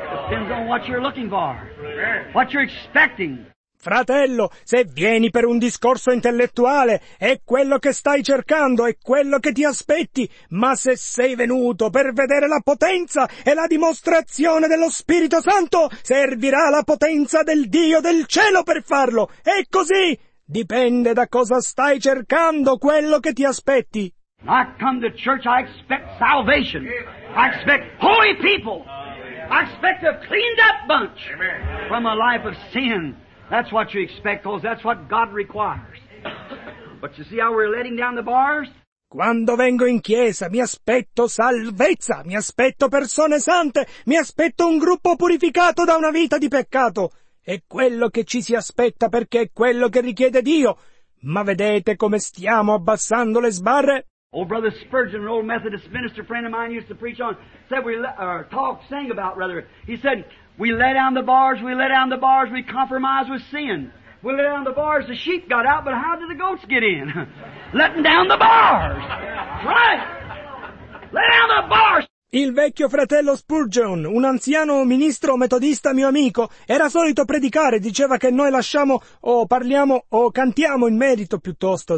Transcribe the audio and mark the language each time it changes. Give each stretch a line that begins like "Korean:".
English: Depends on what you're looking for, what you're expecting.
Italian: Fratello, se vieni per un discorso intellettuale, è quello che stai cercando, è quello che ti aspetti, ma se sei venuto per vedere la potenza e la dimostrazione dello Spirito Santo, servirà la potenza del Dio del cielo per farlo, è così! Dipende da cosa stai cercando, quello che ti aspetti.
English: I come to church, I expect salvation. I expect holy people. I expect a cleaned up bunch from a life of sin. That's what you expect, because that's what God requires. But you see how we're letting down the bars?
Italian: Quando vengo in chiesa, mi aspetto salvezza, mi aspetto persone sante, mi aspetto un gruppo purificato da una vita di peccato. È quello che ci si aspetta perché è quello che richiede Dio. Ma vedete come stiamo abbassando le sbarre?
English: Old Brother Spurgeon, an old Methodist minister friend of mine, used to preach on, said we, sang about rather. He said, we lay down the bars, we lay down the bars, we compromise with sin. We lay down the bars, the sheep got out, but how did the goats get in? Letting down the bars! Right! Lay down the bars!
Italian: Il vecchio fratello Spurgeon, un anziano ministro metodista mio amico, era solito predicare, diceva che noi lasciamo o parliamo o cantiamo in merito piuttosto.